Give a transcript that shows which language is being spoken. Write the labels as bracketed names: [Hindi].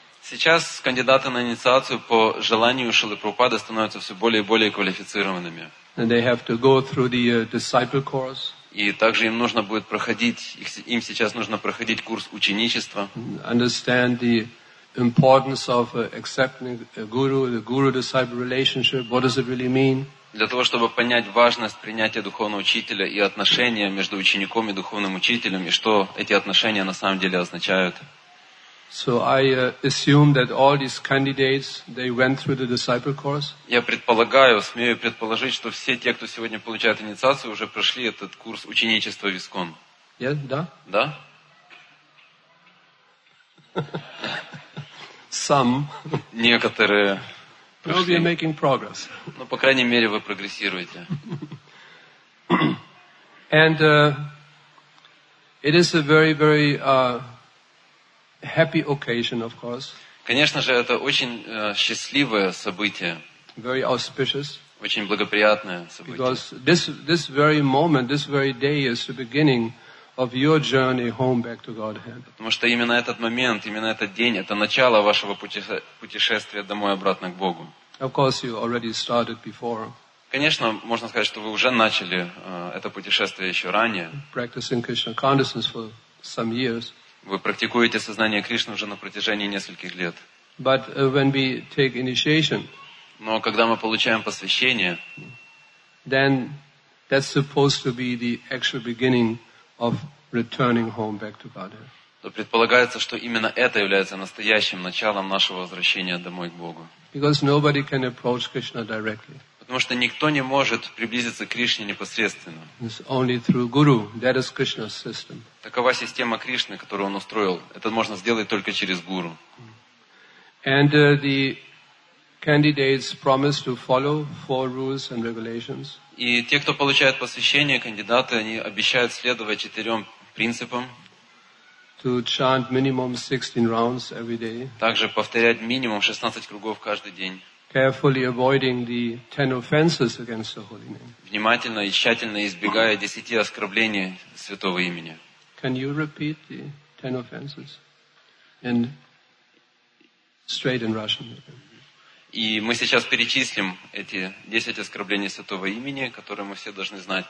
[Russian] Сейчас кандидаты на инициацию по желанию Шрилы Прабхупады становятся все более и более квалифицированными. [English] And they have to go through the disciple course. [Russian] И также им нужно будет проходить, им сейчас нужно проходить курс ученичества. [English] Understand the importance of accepting a guru, the guru-disciple relationship. What does it really mean? [Russian] Для того, чтобы понять важность принятия духовного учителя и отношения между учеником и духовным учителем, и что эти отношения на самом деле означают. [English] So I assume that all these candidates, they went through the disciple course. [Russian] Я предполагаю, смею предположить, что все те, кто сегодня получает инициацию, уже прошли этот курс ученичества в ISKCON. [English] Yeah, [Russian] да? Да? [English] Some. [Russian] Некоторые. [English] Probably you're making progress. [Russian] Ну, по крайней мере, вы прогрессируете. [English] And it is a very, very happy occasion, of course. [Russian] Конечно же, это очень счастливое событие. [English] Very auspicious. [Russian] Очень благоприятное событие. [English] Because this very moment, this very day is the beginning of your journey home back to Godhead. [Russian] Потому что именно этот момент, именно этот день, это начало вашего путешествия домой обратно к Богу. [English] Of course, you already started before. [Russian] Конечно, можно сказать, что вы уже начали это путешествие еще ранее. [English] Practicing Krishna consciousness for some years. [Russian] Вы практикуете сознание Кришны уже на протяжении нескольких лет. [English] But when we take initiation, [Russian] но когда мы получаем посвящение, [English] then that's supposed to be the actual beginning of returning home back to Godhead. [Russian] То предполагается, что именно это является настоящим началом нашего возвращения домой к Богу. [English] Because nobody can approach Krishna directly. [Russian] Потому что никто не может приблизиться к Кришне непосредственно. [English] It's only through Guru. That is Krishna's system. [Russian] Такова система Кришны, которую он устроил. Это можно сделать только через Гуру. [English] And the candidates promise to follow four rules and regulations. [Russian] И те, кто получает посвящение, кандидаты, они обещают следовать четырем принципам. [English] To chant minimum 16 rounds every day. [Russian] Также повторять минимум 16 кругов каждый день. [English] Carefully avoiding the 10 offenses against the holy name. [Russian] Внимательно и тщательно избегая 10 оскорблений святого имени. [English] Can you repeat the 10 offenses? And straight in Russian. [Russian] И мы сейчас перечислим эти 10 оскорблений святого имени, которые мы все должны знать.